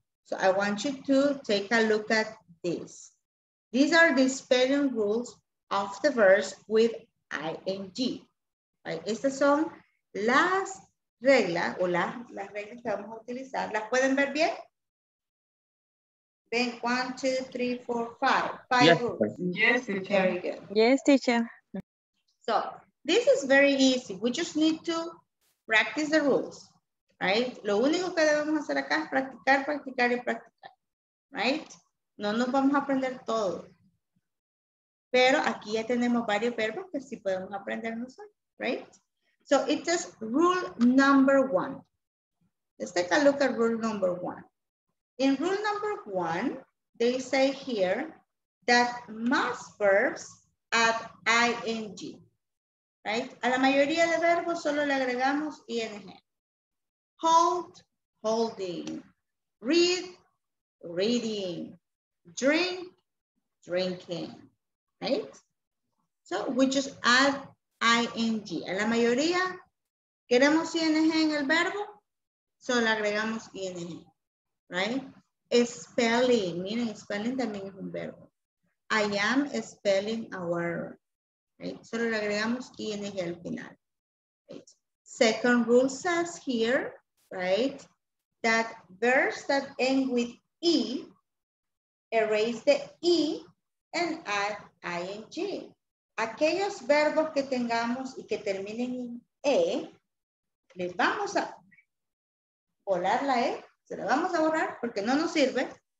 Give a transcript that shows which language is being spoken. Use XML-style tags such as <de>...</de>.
<en>So I want you to take a look at this. These are the spelling rules of the verbs with ing. Right?</en> <es>Estas son las reglas o las reglas que vamos a utilizar. ¿Las pueden ver bien? Ven, 1, 2, 3, 4, 5.</es> <en>Yes, rules. Teacher. Very good. Yes, teacher. So this is very easy. We just need to practice the rules. Right?</en> <es>Lo único que debemos hacer acá es practicar, practicar y practicar. Right? No nos vamos a aprender todo. Pero aquí ya tenemos varios verbos que sí podemos aprender nosotros.</es> <en>Right? So it says rule number 1. Let's take a look at rule number 1. In rule number 1, they say here that most verbs add ing. Right?</en> <es>A la mayoría de verbos solo le agregamos ing.</es> <en>Hold, holding. Read, reading. Drink, drinking. Right? So we just add ing.</en> <es>A la mayoría, queremos ing en el verbo, solo agregamos ing. Right? Spelling. Miren, spelling también es un verbo.</es> <en>I am spelling a word. Right?</en> <es>Solo le agregamos ing al final.</es> <en>Right? Second rule says here, right, that verbs that end with E erase the E and add ing.</en> <es>Aquellos verbos que tengamos y que terminen en E, les vamos a volar la E, se la vamos a borrar porque no nos sirve.</es>